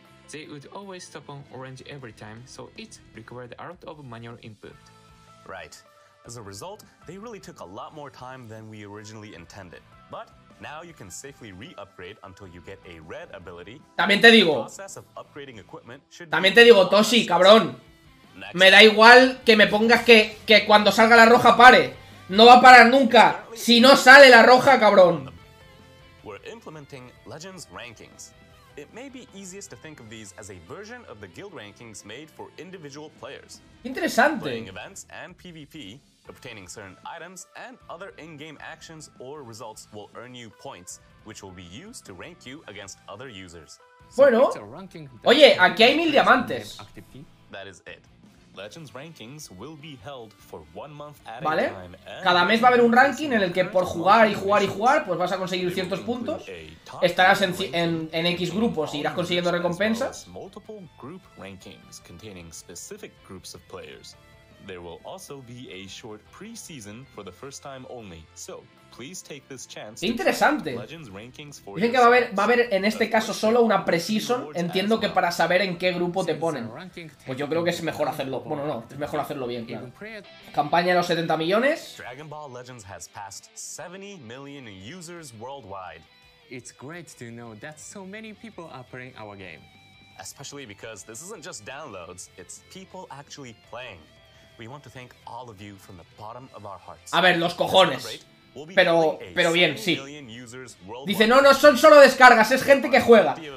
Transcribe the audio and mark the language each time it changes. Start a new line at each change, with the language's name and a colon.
English: They would always stop on orange every time, so it required a lot of manual input. Right. As a result, they really took a lot more time than we originally intended. But now you can safely re-upgrade until you get a red ability.
Spanish: También te digo. También te digo, Toshi, cabrón. Me da igual que me pongas que cuando salga la roja pare. No va a parar nunca. Si no sale la roja, cabrón.
English: We're implementing Legends rankings. It may be easiest to think of these as a version of the guild rankings made for individual players.
Spanish: Interesante.
English: Playing events and PvP, obtaining certain items and other in-game actions or results will earn you points, which will be used to rank you against other users.
Spanish: Bueno, oye, aquí hay 1000 diamantes.
English: That is it. Legends rankings will be held for 1 month at a time. Vale.
Spanish: Cada mes va a haber un ranking en el que por jugar y jugar y jugar, pues vas a conseguir ciertos puntos. Estarás en X grupos y irás consiguiendo recompensas.
English: Multiple group rankings containing specific groups of players. There will also be a short preseason for the first time only. So, please take this chance.
Spanish: Interesante. Dicen que va a haber en este caso solo una preseason. Entiendo que para saber en qué grupo te ponen. Pues yo creo que es mejor hacerlo. Bueno, no, es mejor hacerlo bien, claro. Campaña de los 70 millones.
English: Dragon Ball Legends has passed 70 million users worldwide. It's great to know that so many people are playing our game. Especially because this isn't just downloads, it's people actually playing. We want to thank all of you from the bottom of our hearts.
Spanish: A ver, los cojones. Pero bien, sí. Dice, no, no, son solo descargas, es gente que juega.